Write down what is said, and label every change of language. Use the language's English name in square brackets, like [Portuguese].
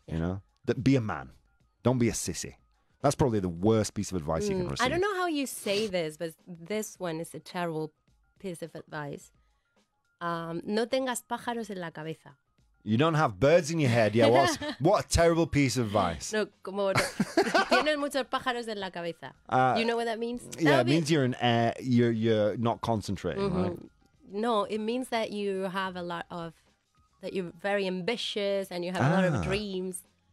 [English] Yeah. You know? Be a man. Don't be a sissy. That's probably the worst piece of advice you can receive. I don't know how you say this, but this one is a terrible piece of advice. [Spanish] No tengas pájaros en la cabeza. [English] You don't have birds in your head. Yeah, what a terrible piece of advice. [Spanish] No, como tienes muchos pájaros en la cabeza. [English] You know what that means? It means you're an air. You're not concentrating, mm-hmm. right? No, it means that you have a lot of, that you're very ambitious and you have a lot of dreams.